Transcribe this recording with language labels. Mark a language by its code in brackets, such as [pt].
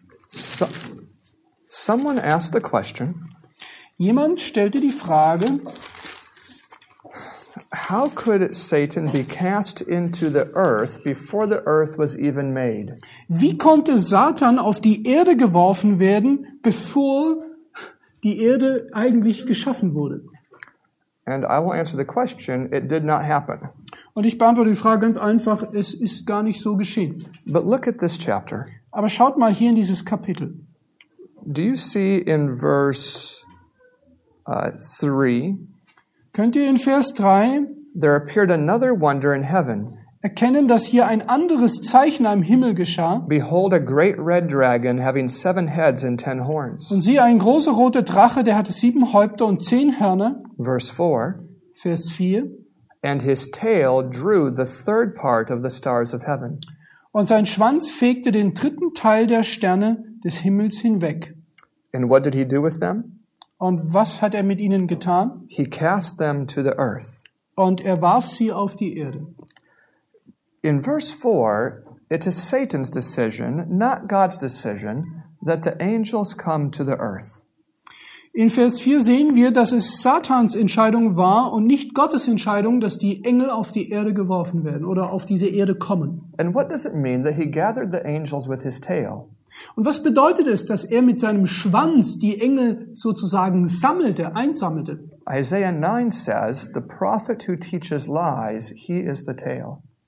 [en] So, someone asked the question. [de] Jemand stellte die Frage. [en] How could Satan be cast into the earth before the earth was even made? [de] Wie konnte Satan auf die Erde geworfen werden, bevor die Erde eigentlich geschaffen wurde? [en] And I will answer the question, it did not happen. [de] Und ich beantworte die Frage ganz einfach, es ist gar nicht so geschehen. [en] But look at this chapter. [de] Aber schaut mal hier in dieses Kapitel. [en] Do you see in verse 3? [de] Könnt ihr in Vers 3 [en] there appeared another wonder in heaven. [de] Erkennen, dass hier ein anderes Zeichen am Himmel geschah. [en] Behold a great red dragon having 7 heads and 10 horns. [de] Und siehe, ein großer roter Drache, der hatte 7 Häupter und 10 Hörner. [en] Verse 4. [de] Vers 4. [en] And his tail drew the third part of the stars of heaven. [de] Und sein Schwanz fegte den dritten Teil der Sterne des Himmels hinweg. [en] And what did he do with them? [de] Und was hat er mit ihnen getan? [en] He cast them to the earth. [de] Und er warf sie auf die Erde. [en] In verse 4, it is Satan's decision, not God's decision, that the angels come to the earth. [de] In Vers 4 sehen wir, dass es Satans Entscheidung war und nicht Gottes Entscheidung, dass die Engel auf die Erde geworfen werden oder auf diese Erde kommen. [en] And what does it mean that he gathered the angels with his tail? [de] Und was bedeutet es, dass er mit seinem Schwanz die Engel sozusagen sammelte, einsammelte? [en] Isaiah 9 says, the prophet who teaches lies, he is the tail.